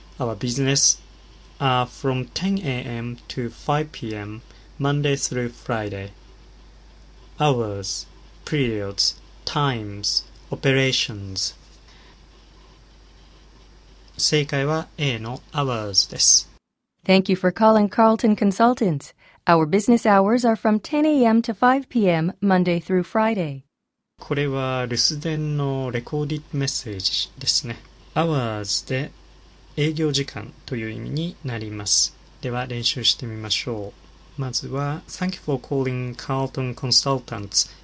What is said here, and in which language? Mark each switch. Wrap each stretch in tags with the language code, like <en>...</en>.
<en>Our business are from 10 a.m. to 5 p.m. Monday through Friday. Hours, periods, times, operations.</en> <ja>正解は A の Hours です。</ja> <en>Thank you for calling Carlton Consultants. Our business hours are from 10 a.m. to 5 p.m. Monday through Friday.</en> <ja>これは留守電のレコーディッドメッセージですね。 Hours で営業時間という意味になります。では練習してみましょう。</ja> <en>まずは Thank you for calling Carlton Consultants。</en>